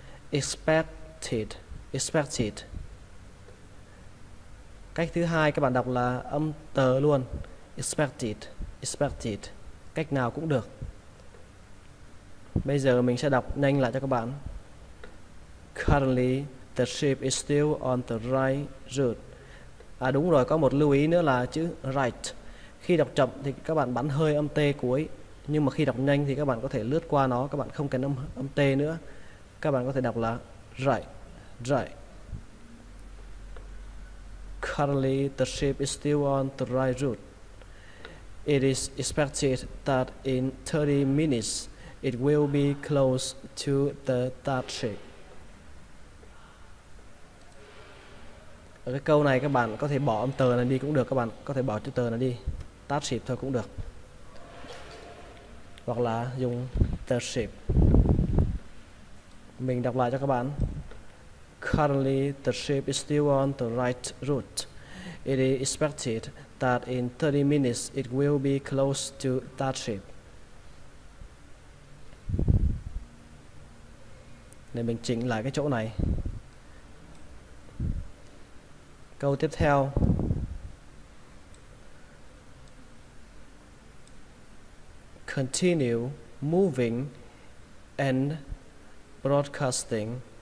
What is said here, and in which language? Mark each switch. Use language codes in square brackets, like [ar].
[en] Expected, expected. [vi] Cách thứ hai các bạn đọc là âm T luôn. Expected, expected. Cách nào cũng được. Bây giờ mình sẽ đọc nhanh lại cho các bạn. [en] Currently, the ship is still on the right route. [vi] À đúng rồi, có một lưu ý nữa là chữ right. Khi đọc chậm thì các bạn bắn hơi âm T cuối. Nhưng mà khi đọc nhanh thì các bạn có thể lướt qua nó. Các bạn không cần âm T nữa. Các bạn có thể đọc là right, right. [en] Currently, the ship is still on the right route. It is expected that in 30 minutes, it will be close to the that ship. [vi] Ở cái câu này các bạn có thể bỏ âm tờ này đi cũng được, các bạn có thể bỏ chữ tờ này đi, [en] that ship [vi] thôi cũng được, hoặc là dùng [en] the ship. [vi] Mình đọc lại cho các bạn. [en] Currently, the ship is still on the right route. It is expected that in 30 minutes it will be close to that ship. [vi] Nên mình chỉnh lại cái chỗ này. Câu tiếp theo. [en] Continue moving and broadcasting.